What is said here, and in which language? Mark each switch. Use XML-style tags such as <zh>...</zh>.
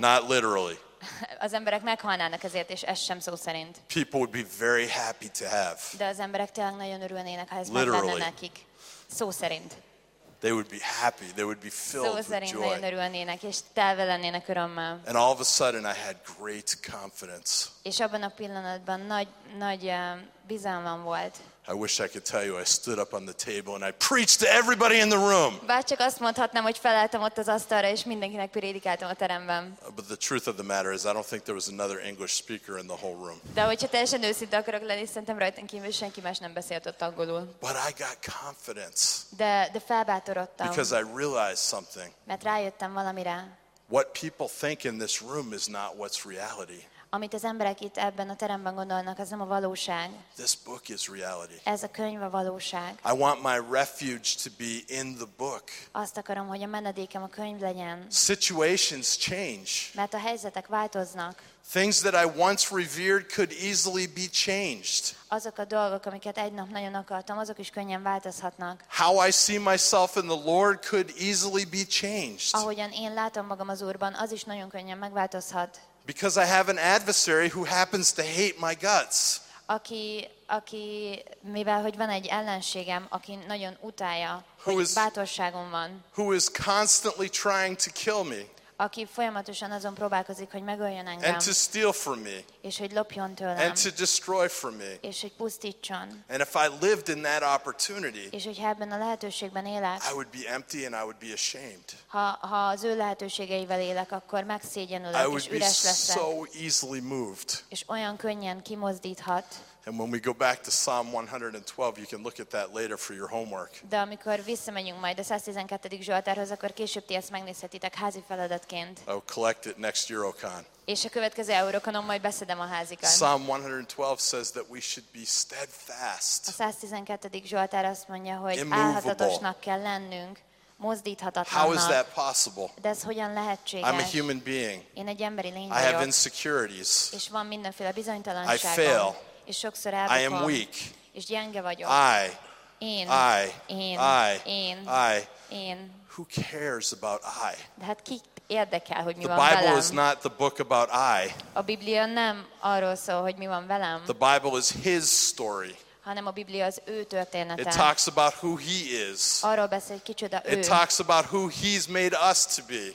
<en>Not literally.</en> <hu>Az emberek meghalnának azért, és ez sem szó szerint.</hu> <en>People would be very happy to have.</en> <hu>De az emberek tényleg nagyon örülnének, ha ez megvenne nekik. Szó szerint.</hu> <en>They would be happy. They would be filled with joy.</en> <hu>Szó szerint nagyon örülnének, és telve lennének örömmel.</hu> <en>And all of a sudden, I had great confidence.</en> <hu>És abban a pillanatban nagy bizalmam volt.</hu> <en>I wish I could tell you I stood up on the table and I preached to everybody in the room.</en> <hu>Bárcsak azt mondhatnám, hogy felálltam ott az asztalra és mindenkinek prédikáltam a teremben.</hu> <en>But the truth of the matter is I don't think there was another English speaker in the whole room.</en> <hu>De hogyha teljesen őszinte akarok lenni, szerintem rajtam kívül senki más nem beszélt ott angolul.</hu> <en>But I got confidence.</en> <hu>De felbátorodtam.</hu> <en>Because I realized something.</en> <hu>Mert rájöttem valamire.</hu> <en>What people think in this room is not what's reality.</en> <hu>Amit az emberek itt ebben a teremben gondolnak, az nem a valóság.</hu> <en>This book is reality.</en> <hu>Ez a könyv a valóság.</hu> <en>I want my refuge to be in the book.</en> <hu>Azt akarom, hogy a menedékem a könyv legyen.</hu> <en>Situations change.</en> <hu>Mert a helyzetek változnak.</hu> <en>Things that I once revered could easily be changed.</en> <hu>Azok a dolgok, amiket egy nap nagyon akartam, azok is könnyen változhatnak.</hu> <en>How I see myself in the Lord could easily be changed.</en> <hu>Ahogyan én látom magam az Úrban, az is nagyon könnyen megváltozhat.</hu> <en>Because I have an adversary who happens to hate my guts.</en> <hu>aki mivel hogy van egy ellenségem, aki nagyon utálja, hogy bátorságom van.</hu> <en>Who is constantly trying to kill me.</en> <hu>Aki folyamatosan azon próbálkozik, hogy megöljön engem.</hu> <en>And to steal from me.</en> <hu>És hogy lopjon tőlem.</hu> <en>And to destroy from me.</en> <hu>És hogy pusztítson.</hu> <en>And if I lived in that opportunity.</en> <hu>És hogyha ebben a lehetőségben élek.</hu> <en>I would be empty and I would be ashamed.</en> <hu>Ha az ő lehetőségeivel élek, akkor megszégyenülök és üres leszek.</hu> <en>I would be so easily moved.</en> <hu>És olyan könnyen kimozdíthat.</hu> <en>And when we go back to Psalm 112, you can look at that later for your homework.</en> <hu>De amikor visszamegyünk majd a 112. Zsoltárhoz, akkor később ti ezt megnézhetitek házi feladatként.</hu> <en>I'll collect it next Eurocon.</en> <hu>És a következő Eurocon-on majd beszedem a házikat.</hu> <en>Psalm 112 says that we should be steadfast.</en> <hu>A 112. Zsoltár azt mondja, hogy állhatatosnak kell lennünk.</hu> <en>How is that possible?</en> <hu>De ez hogyan lehetséges?</hu> <en>I'm a human being.</en> <hu>Én egy emberi lény vagyok.</hu> <en>I have insecurities.</en> <hu>És van mindenféle bizonytalanságom.</hu> <en>I fail.</en> <hu>És sokszor elbukom.</hu> <en>I am weak.</en> <hu>És gyenge vagyok.</hu> <en>I.</en> <hu>Én.</hu> <en>I.</en> <hu>Én.</hu> <en>I.</en> <hu>Én.</hu> <en>I.</en> <hu>Én.</hu> <en>Who cares about I?</en> <hu>De hát ki érdekel, hogy mi</hu> <en>the</en> <hu>van velem?</hu> <en>Is not the book about I.</en> <hu>A Biblia nem arról szól, hogy mi van velem.</hu> <en>The Bible is his story.</en> <hu>Hanem a Biblia az ő története.</hu> <en>It talks about who he is.</en> <hu>Arról beszél, hogy kicsoda ő.</hu> <en>It talks about who he's made us to be.</en>